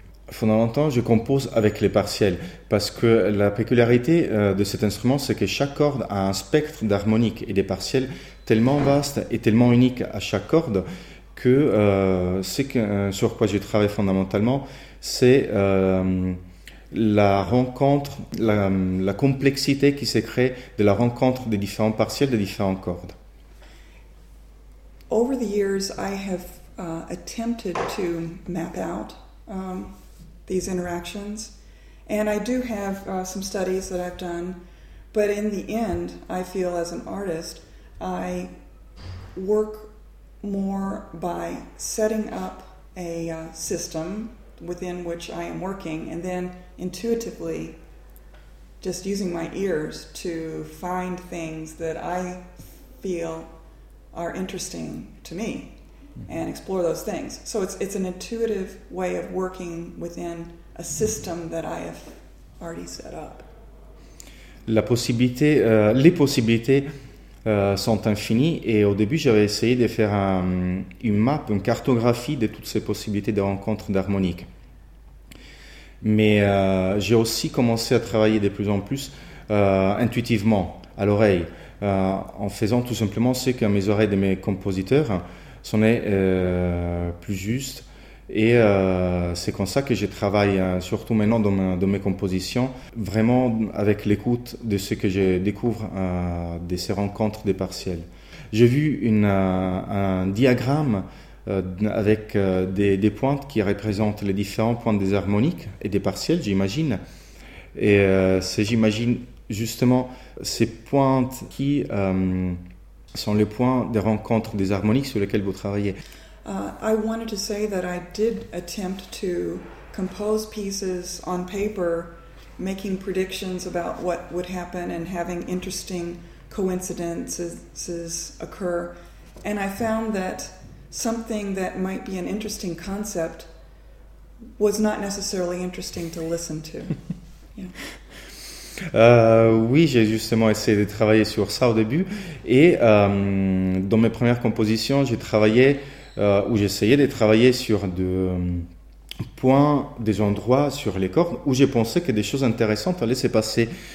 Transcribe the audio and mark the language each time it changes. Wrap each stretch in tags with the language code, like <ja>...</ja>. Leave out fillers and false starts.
<fr>Fondamentalement, je compose avec les partiels parce que la peculiarité de cet instrument, c'est que chaque corde a un spectre d'harmoniques et des partiels tellement vaste et tellement unique à chaque corde que sur quoi je travaille fondamentalement, c'est la rencontre, la complexité qui se crée de la rencontre des différents partiels des différentes cordes.</fr> <en>Over the years, I have attempted to map out these interactions, and I do have some studies that I've done, but in the end, I feel as an artist, I work more by setting up a system within which I am working, and then intuitively just using my ears to find things that I feel are interesting to me and explore those things. So it's an intuitive way of working within a system that I have already set up.</en> <fr>Les possibilités sont infinies, et au début j'avais essayé de faire une map, une cartographie de toutes ces possibilités de rencontres d'harmonique. Mais j'ai aussi commencé à travailler de plus en plus intuitivement, à l'oreille, en faisant tout simplement ce que mes oreilles de mes compositeurs sonnaient plus juste. Et c'est comme ça que je travaille, surtout maintenant dans mes compositions, vraiment avec l'écoute de ce que je découvre de ces rencontres des partiels. J'ai vu un diagramme avec des pointes qui représentent les différents points des harmoniques et des partiels, j'imagine. Et j'imagine justement ces pointes qui sont les points des rencontres des harmoniques sur lesquels vous travaillez.</fr> <en>I wanted to say that I did attempt to compose pieces on paper, making predictions about what would happen and having interesting coincidences occur. And I found that something that might be an interesting concept was not necessarily interesting to listen to. Yeah.</en> <fr>Oui, j'ai justement essayé de travailler sur ça au début. Et dans mes premières compositions, j'ai travaillé où j'essayais de travailler sur des endroits sur les cordes où j'ai pensé que des choses intéressantes allaient se passer.</fr>